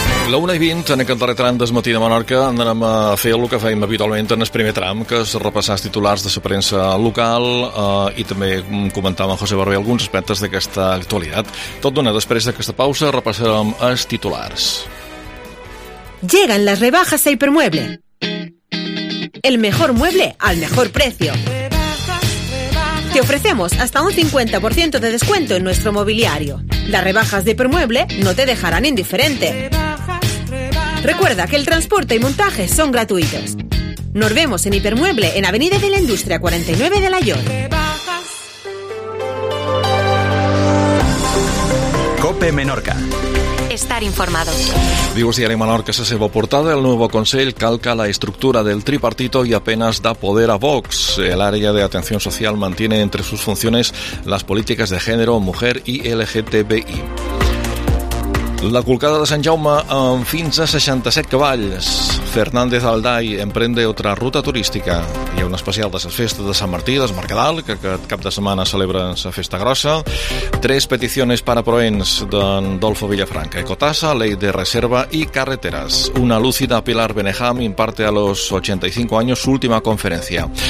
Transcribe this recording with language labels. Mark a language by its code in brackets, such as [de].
[ca] La 1 i 20, en aquest darrer tram del matí de Menorca, anem a fer el que fèiem habitualment en el primer tram, que és repassar els titulars de la premsa local i també comentàvem José Barber alguns aspectes d'aquesta actualitat. Tot d'una, després d'aquesta pausa, repassarem els titulars. [es] Llegan las rebajas a Hipermueble. El mejor mueble al mejor precio. Te ofrecemos hasta un 50% de descuento en nuestro mobiliario. Las rebajas de Hipermueble no te dejarán indiferente. Recuerda que el transporte y montaje son gratuitos. Nos vemos en Hipermueble en Avenida de la Industria 49 de Layón. COPE Menorca. Estar informado. [ca] Diu el diari Menorca, la seva portada, [es] el nuevo Consell calca la estructura del tripartito y apenas da poder a Vox. El área de atención social mantiene entre sus funciones las políticas de género, mujer y LGTBI. [ca] La colcada de Sant Jaume amb fins a 67 cavalls. [es] Fernández Alday emprende otra ruta turística. [ca] Hi ha un especial de les festes de Sant Martí, del Mercadal, que aquest cap de setmana celebren la festa grossa. [es] Tres peticiones para proens d'en Dolfo Villafranca. Ecotasa, ley de reserva y carreteras. Una lúcida Pilar Benejam imparte a los 85 años su última conferencia.